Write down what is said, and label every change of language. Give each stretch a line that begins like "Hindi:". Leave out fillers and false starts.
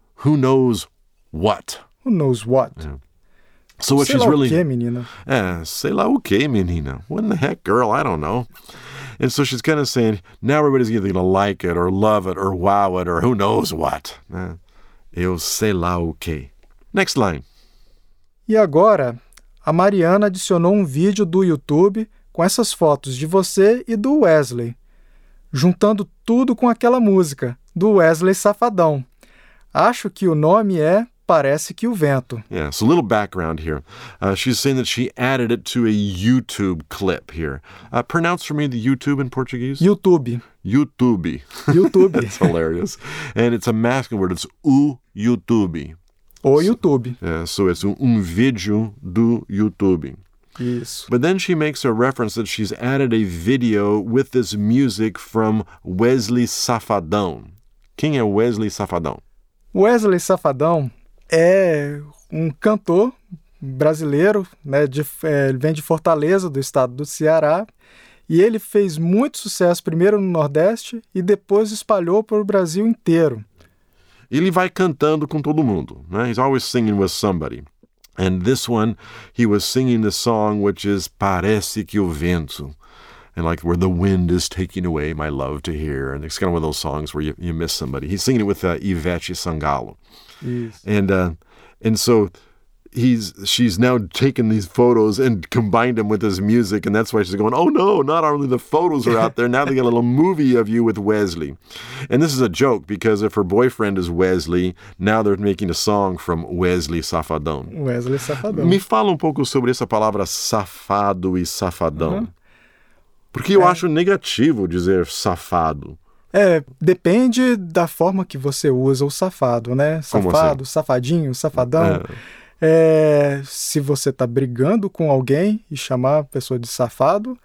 English: Who knows what? Who knows what? Yeah. So what
Portuguese: sei
English: she's
Portuguese: lá
English: really...
Portuguese: o que, menina. Eh, sei lá o que, menina.
English: What in the heck, girl? I don't know. And so she's kind of saying, now everybody's either going to like it or love it or wow it or who knows what.
Portuguese: Eu sei lá o que.
English: Next line.
Portuguese: E agora, a Mariana adicionou um vídeo do YouTube com essas fotos de você e do Wesley, juntando tudo com aquela música, do Wesley Safadão. Acho que o nome é... Parece que o vento.
English: Yeah, so a little background here. She's saying that she added it to a YouTube clip here. Pronounce for me the YouTube in Portuguese. YouTube. YouTube. YouTube. That's hilarious. And it's a masculine word. It's
Portuguese: o YouTube. O YouTube.
English: So, yeah, so it's
Portuguese: um vídeo do YouTube. Isso.
English: But then she makes a reference that she's added a video with this music from Wesley Safadão.
Portuguese: Quem é Wesley Safadão? Wesley Safadão... É um cantor brasileiro, né? Ele vem de Fortaleza, do estado do Ceará, e ele fez muito sucesso primeiro no Nordeste e depois espalhou para o Brasil inteiro. Ele vai cantando com todo mundo, né?
English: He's always singing with somebody. And this one, he was singing the song which is Parece que o Vento. And like where the wind is taking away my love to hear. And it's kind of one of those songs where you miss somebody. He's singing it with Ivete Sangalo. Yes. And so she's now taken these photos and combined them with his music. And that's why she's going, oh, no, not only the photos are out there. Now they got a little movie of you with Wesley. And this is a joke because if her boyfriend is Wesley, now they're making a song from Wesley Safadão. Wesley Safadão.
Portuguese: Me fala um pouco sobre essa palavra safado e safadão. Uh-huh. Porque eu acho negativo dizer safado. É, depende da forma que você usa o safado, né? Safado, assim? Safadinho, safadão. Se você tá brigando com alguém e chamar a pessoa de safado...